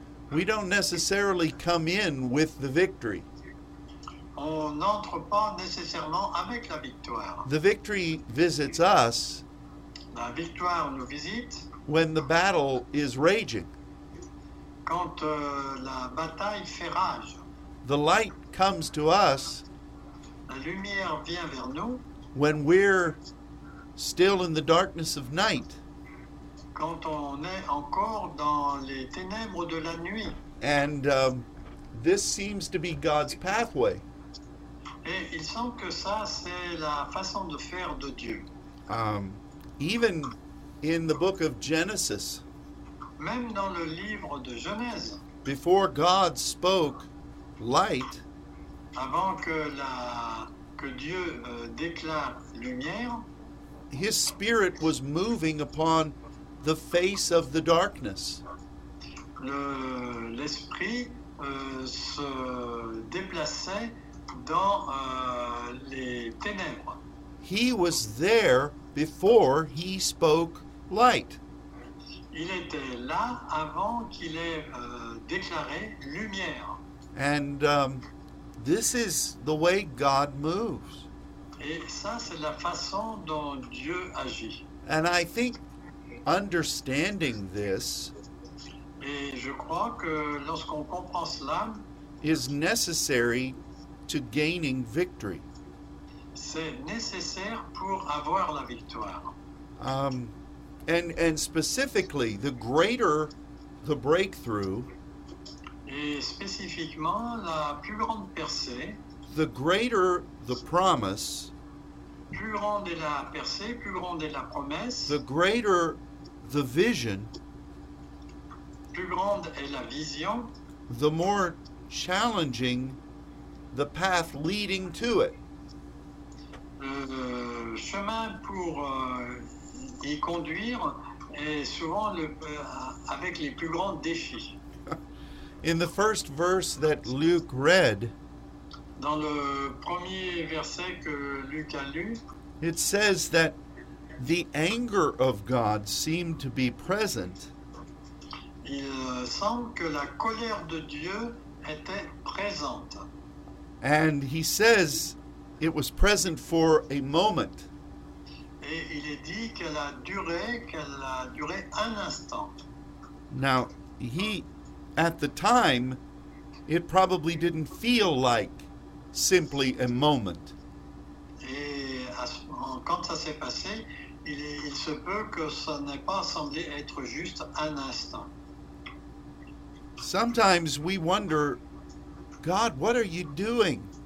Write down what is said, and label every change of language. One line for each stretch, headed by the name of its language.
English: We don't necessarily come in with the victory.
French: On n'entre pas nécessairement avec la victoire.
English: The victory visits us.
French: La victoire nous visite.
English: When the battle is raging.
French: Quand la bataille fait rage.
English: The light comes to us.
French: La lumière vient vers nous.
English: When we're still in the darkness of night.
French: Quand on est encore dans les ténèbres de la nuit.
English: And this seems to be God's pathway.
French: Et il semble que ça, c'est la façon de faire de Dieu.
English: Even in the book of Genesis,
French: même dans le livre de Genèse,
English: before God spoke light,
French: avant que Dieu déclare lumière,
English: his spirit was moving upon the face of the darkness.
French: L'esprit se déplaçait dans les ténèbres.
English: He was there before he spoke light.
French: Il était là avant qu'il ait déclaré lumière.
English: And this is the way God moves.
French: Et ça, c'est la façon dont Dieu agit.
English: And I think understanding this
French: et je crois que lorsqu'on comprend cela,
English: is necessary to gaining victory.
French: C'est nécessaire pour avoir la victoire.
English: And specifically, the greater the breakthrough,
French: et spécifiquement la plus grande percée,
English: the greater the promise,
French: plus grande est la percée, plus grande est la promesse,
English: the greater the vision,
French: plus grande est la vision,
English: the more challenging the path leading to it.
French: Le chemin pour y conduire est souvent le avec les plus grands défis.
English: In the first verse that Luke read,
French: dans le premier verset que Luc a lu,
English: it says that the anger of God seemed to be present.
French: Il semble que la colère de Dieu était présente.
English: And he says it was present for a moment.
French: Et il est dit qu'elle a duré un instant.
English: Now, he, at the time, it probably didn't feel like simply a moment.
French: Et quand ça s'est passé, il se peut que ça n'ait pas semblé être juste un instant.
English: Sometimes we wonder, God, what are you doing?